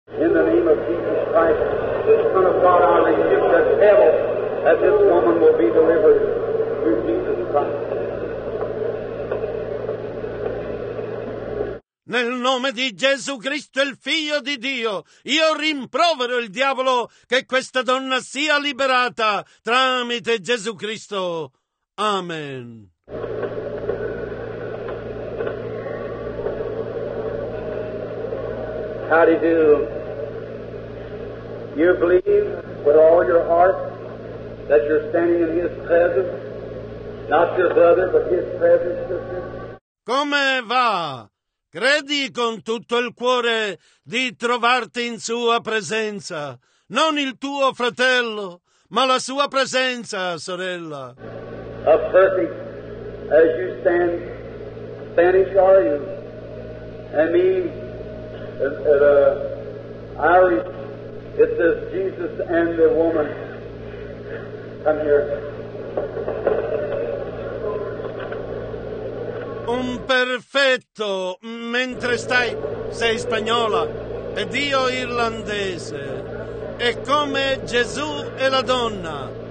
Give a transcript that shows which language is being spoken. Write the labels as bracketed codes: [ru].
[en] In the name of Jesus Christ, the Son of God, I rebuke the devil, that this woman will be delivered through Jesus [it] Nel nome di Gesù Cristo, il Figlio di Dio, io rimprovero il diavolo che questa donna sia liberata tramite Gesù Cristo. Amen. [en] How do you do? You believe with all your heart that you're standing in his presence, not your brother, but his presence, sister? [it] Come va? Credi con tutto il cuore di trovarti in sua presenza, non il tuo fratello, ma la sua presenza, sorella. [en] A perfect, as you stand, Spanish are you, and me, Irish, it says Jesus and the woman, come here. [it] Un perfetto, mentre sei spagnola ed io irlandese, è come Gesù e la donna.